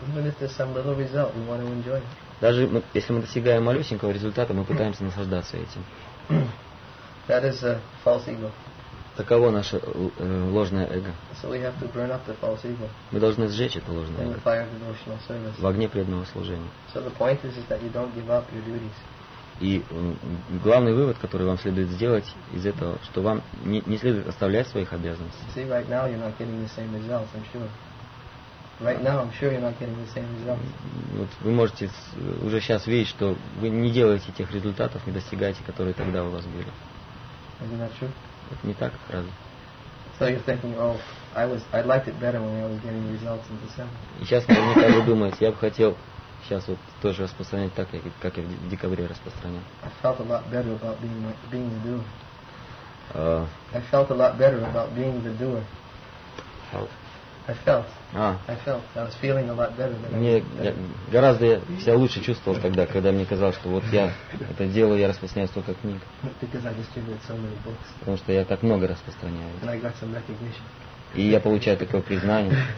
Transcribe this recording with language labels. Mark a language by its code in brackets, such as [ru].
[en] Even if there's some little result, we want to enjoy it. [ru] Даже если мы достигаем малюсенького результата, мы пытаемся наслаждаться этим. [en] That is a false ego. [ru] Таково наше ложное эго. [en] So we have to burn up the false ego. [ru] Мы должны сжечь это ложное эго. [en] In the fire of devotional service. [ru] В огне преданного служения. [en] So the point is that you don't give up your duties. [ru] И главный вывод, который вам следует сделать из этого, что вам не следует оставлять своих обязанностей. [en] See, right now you're not getting the same results, I'm sure. Right now I'm sure you're not getting the same results. [ru] Вот вы можете уже сейчас видеть, что вы не делаете тех результатов, не достигаете, которые тогда у вас были. [en] Isn't that true? [ru] Это не так, правда? [en] So you're thinking, oh, I liked it better when I was getting results in December. [ru] И сейчас наверняка вы думаете, я бы хотел сейчас вот тоже распространять так, как я в декабре распространял. [en] I felt a lot better about being the doer. I felt a lot better about being the doer. I was feeling a lot better than [ru] Мне гораздо я себя лучше чувствовал тогда, когда мне казалось, что вот я это делаю, я распространяю столько книг. [en] Because I distributed so many books. [ru] Потому что я так много распространяю. [en] And I got some recognition. [ru] И я получаю такое признание.